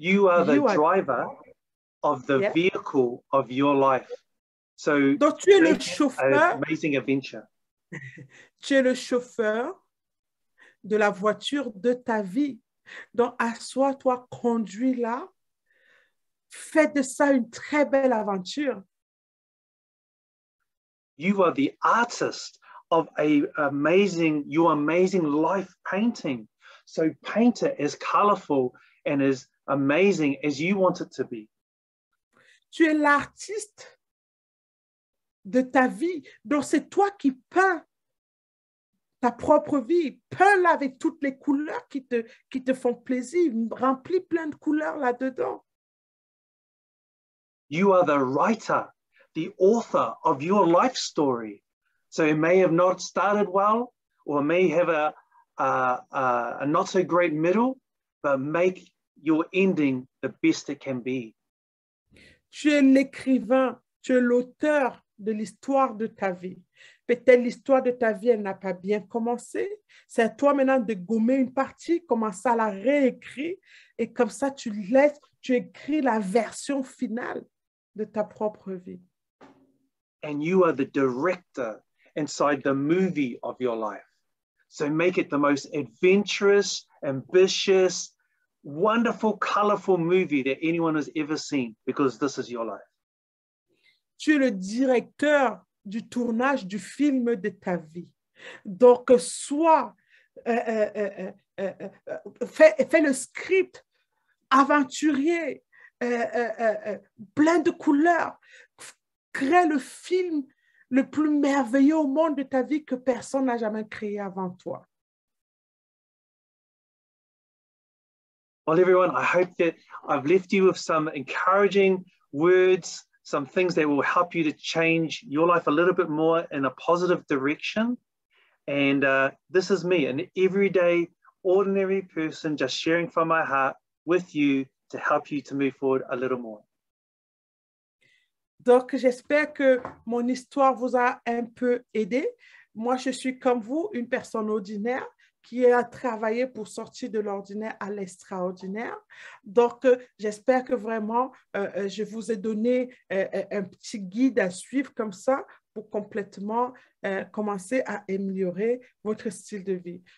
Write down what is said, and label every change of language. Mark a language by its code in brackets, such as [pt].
[en] You are the driver of the vehicle of your life. So, [fr] donc, tu es le chauffeur. [en] Amazing adventure. [fr] Tu es le chauffeur de la voiture de ta vie. Donc, assois-toi, conduis-la Faites de ça une très belle aventure. [en] You are the artist of your amazing life painting. So paint it as colorful and as amazing as you want it to be. [fr] Tu es l'artiste de ta vie. Donc c'est toi qui peins ta propre vie. Peins-la avec toutes les couleurs qui te font plaisir. Remplis plein de couleurs là-dedans. [en] You are the writer, the author of your life story. So it may have not started well, or it may have a not so great middle, but make your ending the best it can be. [fr] Tu es l'écrivain, tu es l'auteur de l'histoire de ta vie. Peut-être l'histoire de ta vie, elle n'a pas bien commencé. C'est à toi maintenant de gommer une partie, commencer à la réécrire, et comme ça, tu écris la version finale de ta propre vie. [en] And you are the director inside the movie of your life. So make it the most adventurous, ambitious, wonderful, colorful movie that anyone has ever seen, because this is your life. [fr] Tu es le directeur du tournage du film de ta vie. Donc, fais le script aventurier, plein de couleurs. Crée le film le plus merveilleux au monde de ta vie que personne n'a jamais créé avant toi. [en] Well, everyone, I hope that I've left you with some encouraging words, some things that will help you to change your life a little bit more in a positive direction. And this is me, an everyday, ordinary person, just sharing from my heart with you to help you to move forward a little more. [fr] Donc, j'espère que mon histoire vous a un peu aidé. Moi, je suis comme vous, une personne ordinaire qui a travaillé pour sortir de l'ordinaire à l'extraordinaire. Donc, j'espère que vraiment, je vous ai donné un petit guide à suivre comme ça pour complètement commencer à améliorer votre style de vie.